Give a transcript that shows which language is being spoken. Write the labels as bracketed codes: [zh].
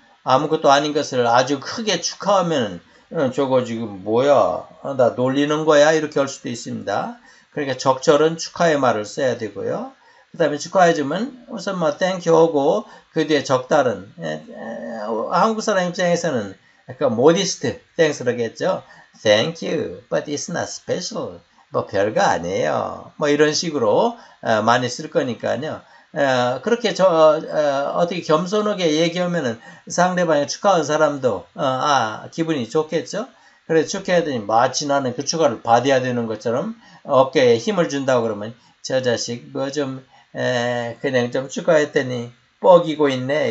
[ko] 아무것도 아닌 것을 아주 크게 축하하면, 저거 지금 뭐야? 나 놀리는 거야? 이렇게 할 수도 있습니다. 그러니까 적절한 축하의 말을 써야 되고요. 그 다음에 축하해주면 우선 뭐 [en] 땡큐 [ko] 하고 그 뒤에 적다른 한국 사람 입장에서는 약간 모디스트 땡스럽겠죠. [en] Thank you, but it's not special. [ko] 뭐 별거 아니에요. 뭐 이런 식으로 많이 쓸 거니까요. 그렇게 어떻게 겸손하게 얘기하면은 상대방이 축하한 사람도 기분이 좋겠죠. 그래서 축하해드니 마치 나는 그 축하를 받아야 되는 것처럼 어깨에 힘을 준다고 그러면 저 자식 뭐좀 에, 그냥 좀 축하했더니, 뻐기고 있네.